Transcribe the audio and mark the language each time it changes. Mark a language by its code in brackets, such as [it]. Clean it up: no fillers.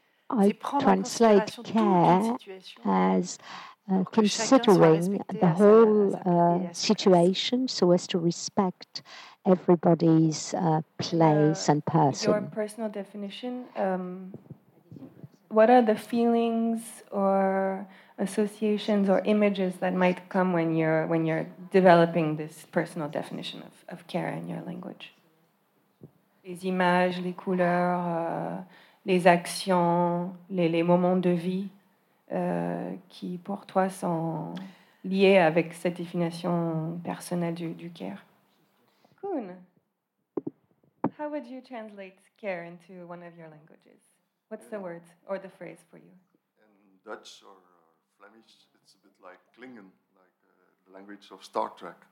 [en] I translate care as considering the whole situation so as to respect everybody's place and person. Your personal definition, what are the feelings or associations or images that might come when you're developing this personal definition of care in your language. [fr] Les images, les couleurs, les actions, les moments de vie qui pour toi sont liés avec cette définition personnelle du care. [en] Kuhn, how would you translate care into one of your languages? What's the word or the phrase for you? In Dutch or Flemish, it's a bit like Klingon, like the language of Star Trek.